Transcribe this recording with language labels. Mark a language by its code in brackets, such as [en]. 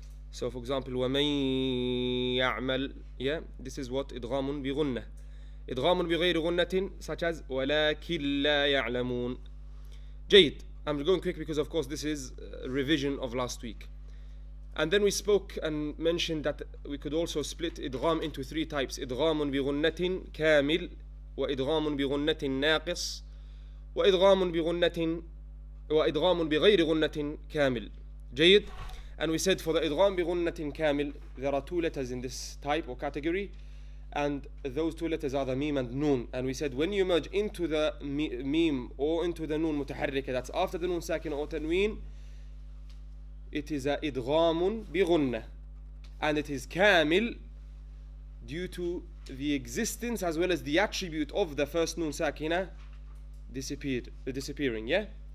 [en] So, for example, [ar] وَمَنْ يَعْمَلْ, [en] yeah, this is what idghamun bi ghunnah. Idghamun bi ghayri ghunnatin, such as [ar] وَلَكِنْ لَا يَعْلَمُونَ. [en] Jayid, I'm going quick because, of course, this is a revision of last week. And then we spoke and mentioned that we could also split idgham into three types. [ar] Idghamun bi ghunnatin kamil, وإدغام بغنة ناقص، وإدغام بغنة، وإدغام بغير غنة كامل. جيد. [en] And we said for the إدغام بغنة كامل, there are two letters in this type or category, and those two letters are the ميم and نون. And we said when you merge into the ميم or into the نون متحركة, that's after the نون ساكن or تنوين, it is a إدغام بغنة, and it is كامل due to the existence as well as the attribute of the first noon sakina disappearing. Yeah.